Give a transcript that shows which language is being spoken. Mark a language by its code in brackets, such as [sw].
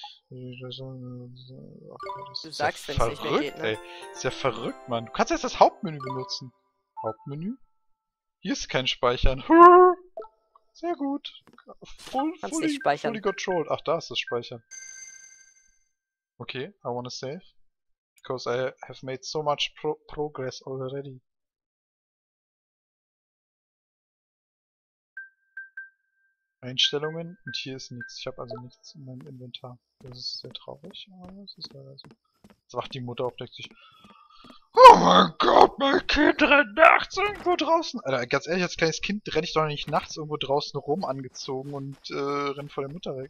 [de] Du sagst, wenn es nicht mehr geht, ne? Ist ja verrückt, Mann. Du kannst jetzt das Hauptmenü benutzen. Hauptmenü? Hier ist kein Speichern. Sehr gut. [en] Fully controlled. [de] Ach, da ist das Speichern. [en] Okay, I wanna save. Because I have made so much progress already. [de] Einstellungen und hier ist nichts. Ich habe also nichts in meinem Inventar. Das ist sehr traurig, aber das ist leider so. Jetzt wacht die Mutter auf, denkt sich: Oh mein Gott, mein Kind rennt nachts irgendwo draußen! Alter, ganz ehrlich, als kleines Kind renne ich doch nicht nachts irgendwo draußen rum angezogen und renne vor der Mutter weg.